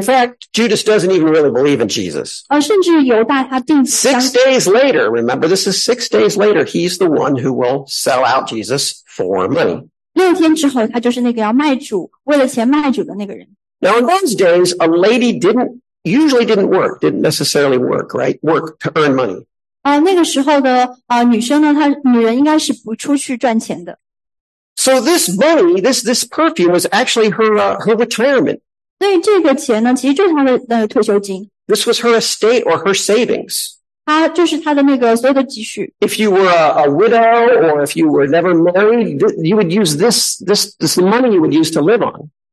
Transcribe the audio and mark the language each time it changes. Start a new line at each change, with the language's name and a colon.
English: In fact, Judas doesn't even really believe in Jesus.
Chinese: 甚至犹大他并不相信。
English: 6 days later, remember, this is 6 days later, he's the one who will sell out Jesus for money.
Chinese: 6天之后,他就是那个要卖主,为了钱卖主的那个人。
English: Now in those days, a lady usually didn't work, didn't necessarily work, right? Work to earn money.
Chinese: 那个时候的女生呢，她女人应该是不出去赚钱的。
English: So this money, this perfume was actually her retirement.
Chinese: 对，这个钱呢，其实就是她的退休金。
English: This was her estate or her savings.
Chinese: 她就是她的那个所有的积蓄。
English: If you were a widow or if you were never married, you would use this money you would use to live on.